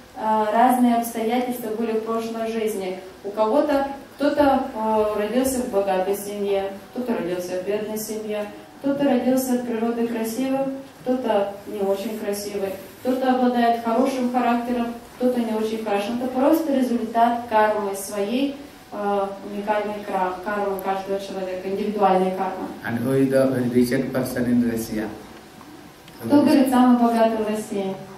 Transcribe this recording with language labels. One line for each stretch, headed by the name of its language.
Russian: разные обстоятельства были в прошлой жизни. У кого-то кто-то родился в богатой семье, кто-то родился в бедной семье, кто-то родился от природы красивым, кто-то не очень красивый, кто-то обладает хорошим характером, кто-то не очень хорошим. Это просто результат кармы своей уникальной кармы каждого человека, индивидуальной кармы.
English: And who is the richest person in Russia?
Russian: Кто говорит самый богатый в России?